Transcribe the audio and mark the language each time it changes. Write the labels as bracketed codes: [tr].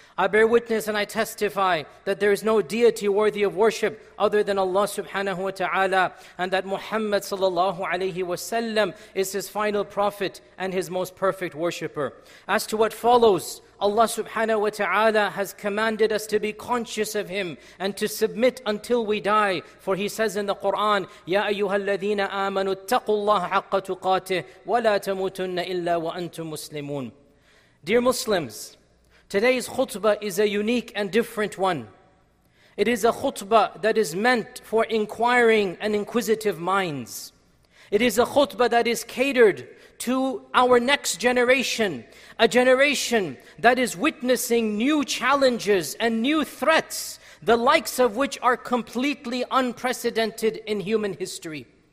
[en] I bear witness and I testify that there is no deity worthy of worship other than Allah subhanahu wa ta'ala, and that Muhammad sallallahu alayhi wa sallam is His final prophet and His most perfect worshipper. As to what follows, Allah subhanahu wa ta'ala has commanded us to be conscious of Him and to submit until we die. For He says in the Quran, [ar] يَا أَيُّهَا الَّذِينَ آمَنُوا اتَّقُوا اللَّهَ حَقَّ تُقَاتِهِ وَلَا تَمُوتُنَّ إِلَّا وَأَنْتُمْ مُسْلِمُونَ. [en] Dear Muslims, today's khutbah is a unique and different one. It is a khutbah that is meant for inquiring and inquisitive minds. It is a khutbah that is catered to our next generation, a generation that is witnessing new challenges and new threats, the likes of which are completely unprecedented in human history.